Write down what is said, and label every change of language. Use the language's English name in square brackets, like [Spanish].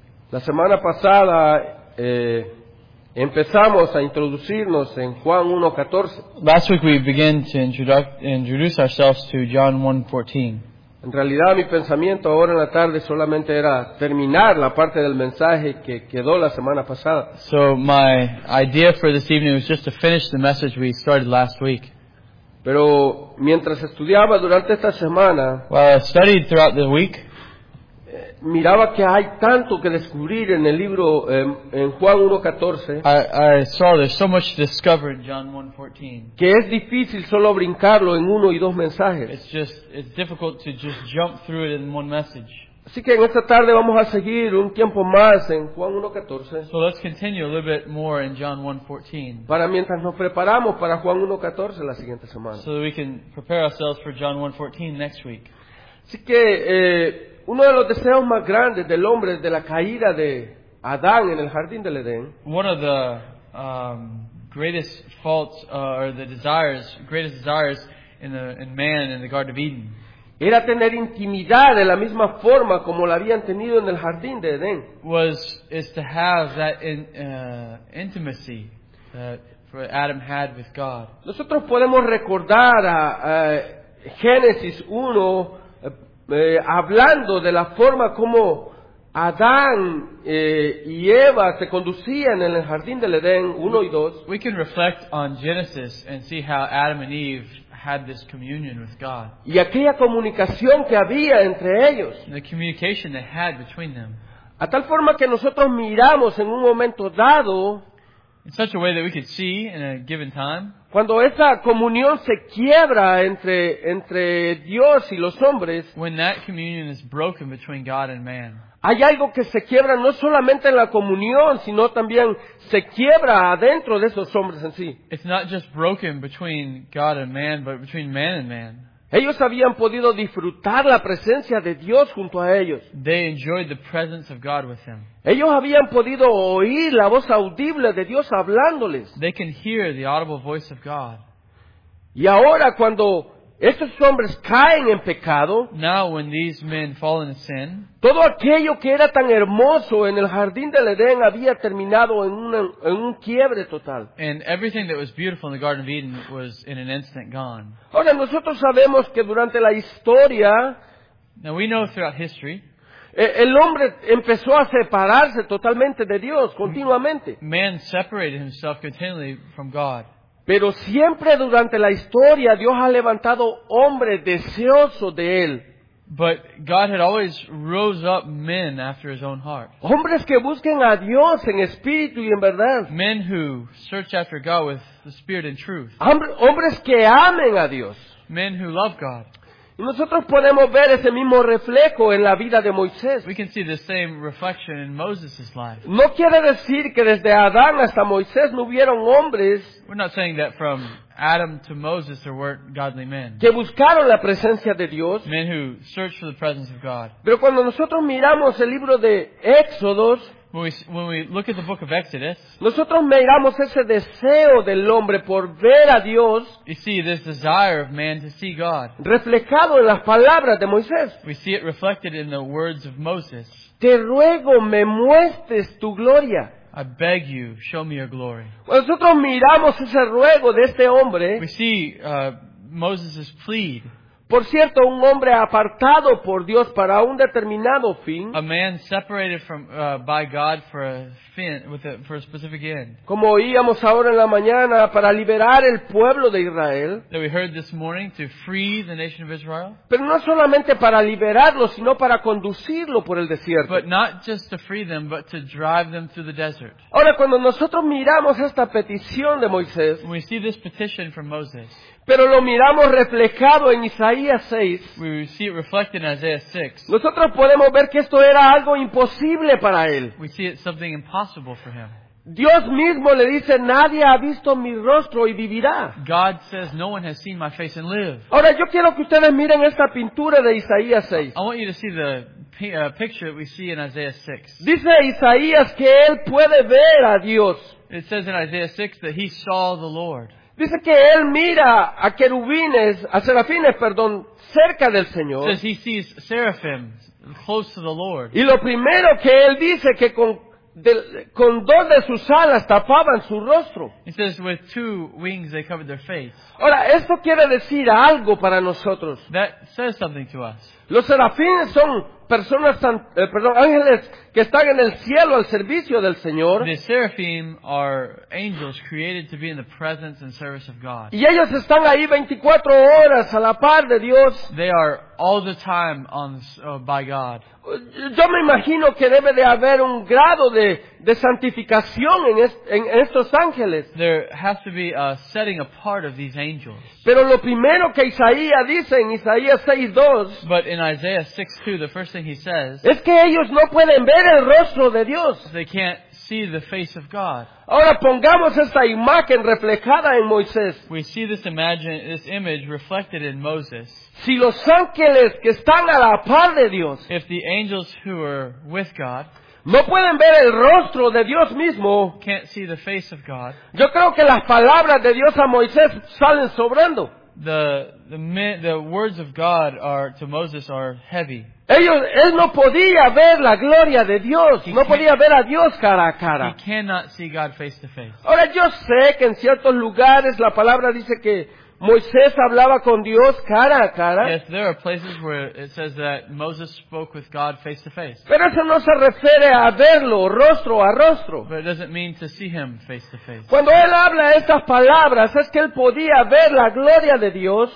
[Spanish] La semana pasada empezamos a introducirnos en Juan 1:14. [English] Last week we began to introduce ourselves to John 1:14. [Spanish] En realidad mi pensamiento ahora en la tarde solamente era terminar la parte del mensaje que quedó la semana pasada. [English] So my idea for this evening was just to finish the message we started last week. [Spanish] Pero mientras estudiaba durante esta semana, [English] while I studied throughout the week, [Spanish] miraba que hay tanto que descubrir en el libro en Juan 1:14. [English] I saw there's so much to discover in John 1:14. [Spanish] Que es difícil solo brincarlo en uno y dos mensajes. [English] It's difficult to just jump through it in one message. [Spanish] Así que en esta tarde vamos a seguir un tiempo más en Juan 1:14. [English] So let's continue a little bit more in John 1:14. [Spanish] Para mientras nos preparamos para Juan 1:14 la siguiente semana. [English] So that we can prepare ourselves for John 1:14 next week. [Spanish] Así que uno de los deseos más grandes del hombre desde la caída de Adán en el jardín del Edén. [English] One of the greatest faults or the desires, greatest desires in man in the Garden of Eden. [Spanish] Era tener intimidad de la misma forma como la habían tenido en el jardín de Edén. [English] Is to have that intimacy that Adam had with God. [Spanish] Nosotros podemos recordar a Génesis 1 hablando de la forma como Adán y Eva se conducían en el jardín del Edén 1 y 2. [English] We can reflect on Genesis and see how Adam and Eve had this communion with God. [Spanish] Y aquella comunicación que había entre ellos. [English] The communication they had between them. [Spanish] A tal forma que nosotros miramos en un momento dado. [English] In such a way that we could see in a given time. [Spanish] Cuando esa comunión se quiebra entre Dios y los hombres. [English] When that communion is broken between God and man. [Spanish] Hay algo que se quiebra no solamente en la comunión, sino también se quiebra adentro de esos hombres en sí. [English] It's not just broken between God and man, but between man and man. [Spanish] Ellos habían podido disfrutar la presencia de Dios junto a ellos. [English] They enjoyed the presence of God with them. [Spanish] Ellos habían podido oír la voz audible de Dios hablándoles. [English] They can hear the audible voice of God. [Spanish] Y ahora cuando estos hombres caen en pecado. [English] Now when these men fall into sin. [Spanish] Todo aquello que era tan hermoso en el jardín del Edén había terminado en un quiebre total. [English] And everything that was beautiful in the Garden of Eden was in an instant gone. [Spanish] Ahora nosotros sabemos que durante la historia. [English] Now we know throughout history. [Spanish] El hombre empezó a separarse totalmente de Dios continuamente. [English] Man separated himself continually from God. [Spanish] Pero siempre durante la historia Dios ha levantado hombres deseosos de él. [English] But God had always rose up men after his own heart. [Spanish] Hombres que busquen a Dios en espíritu y en verdad. [English] Men who search after God with the spirit and truth. [Spanish] Hombres que amen a Dios. [English] Men who love God. [Spanish] Y nosotros podemos ver ese mismo reflejo en la vida de Moisés. [English] We can see the same reflection in Moses' life. [Spanish] No quiere decir que desde Adán hasta Moisés no hubieron hombres. [English] We're not saying that from Adam to Moses there weren't godly men. [Spanish] Que buscaron la presencia de Dios. [English] Men who searched for the presence of God. [Spanish] Pero cuando nosotros miramos el libro de Éxodos, [English] when we look at the book of Exodus, [Spanish] nosotros miramos ese deseo del hombre por ver a Dios. [English] You see this desire of man to see God. [Spanish] Reflejado en las palabras de Moisés. [English] We see it reflected in the words of Moses. [Spanish] Te ruego me muestres tu gloria. [English] I beg you, show me your glory. [Spanish] Nosotros miramos ese ruego de este hombre. [English] We see Moses' plead. [Spanish] Por cierto, un hombre apartado por Dios para un determinado fin. [English] A man separated from by God for a fin, for a specific end. [Spanish] Como oíamos ahora en la mañana para liberar el pueblo de Israel. [English] That we heard this morning to free the nation of Israel. [Spanish] Pero no solamente para liberarlo, sino para conducirlo por el desierto. [English] But not just to free them, but to drive them through the desert. [Spanish] Ahora, cuando nosotros miramos esta petición de Moisés. [English] We see this petition from Moses. [Spanish] Pero lo miramos reflejado en Isaías 6. [English] We see it reflected in Isaiah 6. [Spanish] Nosotros podemos ver que esto era algo imposible para él. [English] We see it something impossible for him. [Spanish] Dios mismo le dice, nadie ha visto mi rostro y vivirá. [English] God says, no one has seen my face and live. [Spanish] Ahora, yo quiero que ustedes miren esta pintura de Isaías 6. [English] I want you to see the picture that we see in Isaiah 6. [Spanish] Dice Isaías que él puede ver a Dios. [English] It says in Isaiah 6 that he saw the Lord. [Spanish] Dice que él mira a serafines, cerca del Señor. [English] Says he sees seraphims close to the Lord. [Spanish] Y lo primero que él dice que con dos de sus alas tapaban su rostro. [English] He says with two wings they covered their face. [Spanish] Ahora, esto quiere decir algo para nosotros. [English] That says something to us. [Spanish] Los serafines son personas ángeles que están en el cielo al servicio del Señor. [English] The seraphim are angels created to be in the presence and service of God. [Spanish] Y ellos están ahí 24 horas a la par de Dios. [English] They are all the time on by God. [Spanish] Yo me imagino que debe de haber un grado de santificación en estos ángeles. [English] There has to be a setting apart of these angels. [Spanish] Pero lo primero que Isaías dice en Isaías 6:2, [English] but in Isaiah 6:2, the first thing he says, [Spanish] es que ellos no pueden ver el rostro de Dios. [English] They can't see the face of God. [Spanish] Ahora pongamos esta imagen reflejada en Moisés. [English] We see this image reflected in Moses. [Spanish] Si los ángeles que están a la par de Dios, [English] if the angels who are with God, [Spanish] no pueden ver el rostro de Dios mismo, [English] can't see the face of God, [Spanish] yo creo que las palabras de Dios a Moisés salen sobrando. [English] The words of God are to Moses are heavy. [Spanish] Él no podía ver la gloria de Dios. [English] He [Spanish] no podía ver a Dios cara a cara. [English] He cannot see God face to face. [Spanish] Ahora yo sé que en ciertos lugares la palabra dice que Moisés hablaba con Dios cara a cara. [English] Yes, there are places where it says that Moses spoke with God face to face. [Spanish] Pero eso no se refiere a verlo rostro a rostro. [English] But it doesn't mean to see him face to face. [Spanish] Cuando él habla estas palabras, es que él podía ver la gloria de Dios.